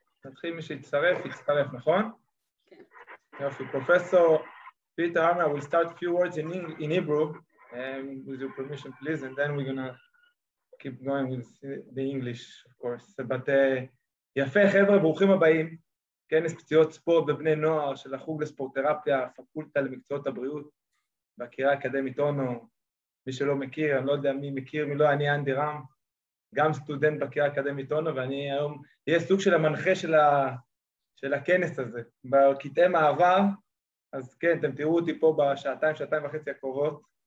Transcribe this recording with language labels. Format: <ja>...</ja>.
<he>נתחיל מי שיצטרף, יצטרף, נכון? כן. יופי. פרופסור פיטר אמר,</he> <en>we'll start a few words in Hebrew, with your permission, please, and then we're gonna keep going with the English, of course.</en> <he>But יפה, חבר'ה, ברוכים הבאים. כנס פציעות ספורט בבני נוער של החוג לספורטרפיה, הפקולטה למקצועות הבריאות. בקירה אקדמית אונו, מי שלא מכיר, אני לא יודע מי מכיר, מי לא, אני אנדי רם, גם סטודנט בקירה אקדמית אונו, ואני היום, יהיה סוג של המנחה של, של הכנס הזה, בקטעי מעבר, אז כן, אתם תראו אותי פה בשעתיים, שעתיים וחצי הקרובות.</he>